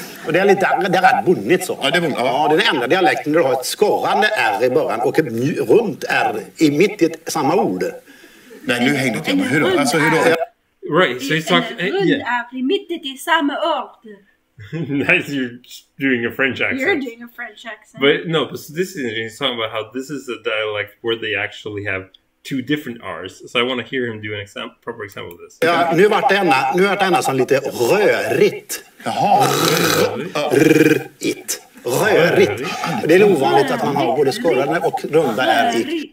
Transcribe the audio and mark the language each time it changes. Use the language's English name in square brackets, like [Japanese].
[Swedish] Och det är lite, det är rätt bonnigt så. Ja, det är bonnigt. Ja, det är den enda dialekten där du har ett skarande R i början och ett runt R i mitt i ett samma ord. Nej, nu hängde det inte. Hur då? Alltså, hur då? [English] Right, so he's talking... [Swedish] En runt R i mitt i ett samma ord. [English] Nice, you're doing a French accent. You're doing a French accent. But no, but so this is interesting. He's talking about how this is a dialect where they actually have two different R's. So I want to hear him do an example, proper example of this. [Swedish] Ja, nu har det ena som lite rörigt. Jaha. Rörigt. Det är ovanligt att man har både skorrande och runda R.